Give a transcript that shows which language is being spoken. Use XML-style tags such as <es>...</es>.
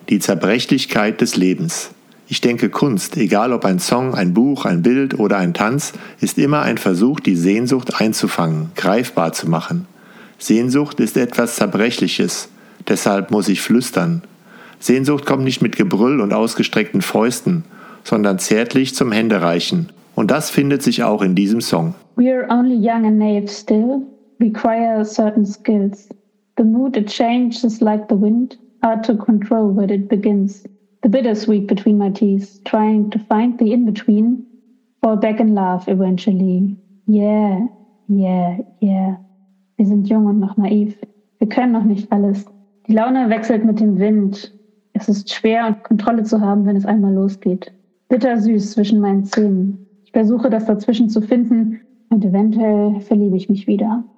<de>Die Zerbrechlichkeit des Lebens. Ich denke, Kunst, egal ob ein Song, ein Buch, ein Bild oder ein Tanz, ist immer ein Versuch, die Sehnsucht einzufangen, greifbar zu machen. Sehnsucht ist etwas Zerbrechliches, deshalb muss ich flüstern. Sehnsucht kommt nicht mit Gebrüll und ausgestreckten Fäusten, sondern zärtlich zum Händereichen. Und das findet sich auch in diesem Song.</de> <en>We are only young and naive still, require certain skills. The mood it changes like the wind, hard to control when it begins. The bittersweet between my teeth, trying to find the in-between, fall back in love eventually. Yeah, yeah, yeah.</en> <de>Wir sind jung und noch naiv. Wir können noch nicht alles. Die Laune wechselt mit dem Wind. Es ist schwer, Kontrolle zu haben, wenn es einmal losgeht. Bittersüß zwischen meinen Zähnen. Ich versuche, das dazwischen zu finden und eventuell verliebe ich mich wieder.</de>